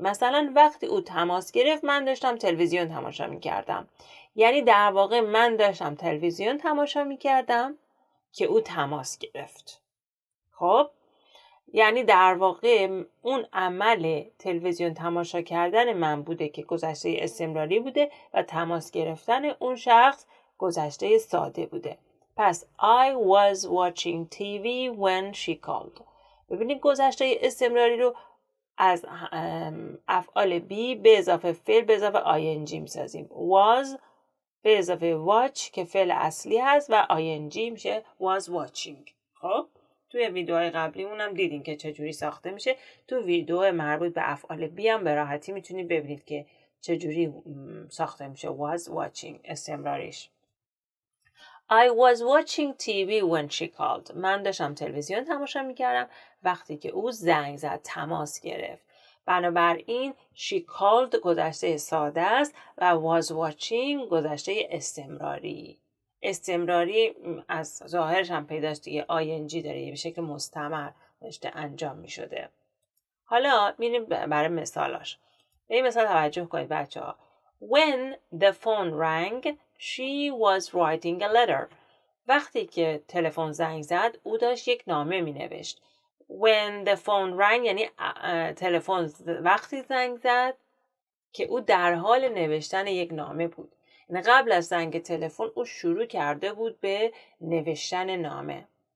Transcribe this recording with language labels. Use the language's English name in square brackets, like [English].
[Persian] مثلا وقتی او تماس گرفت من داشتم تلویزیون تماشا می‌کردم، یعنی در واقع من داشتم تلویزیون تماشا می‌کردم که او تماس گرفت. خب یعنی در واقع اون عمل تلویزیون تماشا کردن من بوده که گذشته استمراری بوده و تماس گرفتن اون شخص گذشته ساده بوده. پس [English] I was watching TV when she called. [Persian] ببینید گذشته استمراری رو از افعال بی به اضافه فعل به اضافه ing میسازیم. Was به اضافه watch که فعل اصلی هست و ing میشه was watching. خب توی ویدیوهای قبلیمونم دیدین که چجوری ساخته میشه. تو ویدیو مربوط به افعال بی هم به راحتی میتونید ببینید که چجوری ساخته میشه [English] was watching [Persian] استمراریش. [English] I was watching TV when she called. [Persian] من داشتم تلویزیون تماشا میکردم وقتی که او زنگ زد، تماس گرفت. بنابراین [English] she called [Persian] گذشته ساده است و [English] was watching [Persian] گذشته استمراری. استمراری از ظاهرش هم پیداست دیگه، ing داره، یه به شکل مستمر داشته انجام می شده. حالا میریم برای مثالاش. به این مثال توجه کنید بچه ها. [English] When the phone rang, she was writing a letter. [Persian] وقتی که تلفن زنگ زد، او داشت یک نامه می نوشت. [English] When the phone rang [Persian] یعنی تلفن وقتی زنگ زد که او در حال نوشتن یک نامه بود. قبل از زنگ تلفن او شروع کرده بود به نوشتن نامه.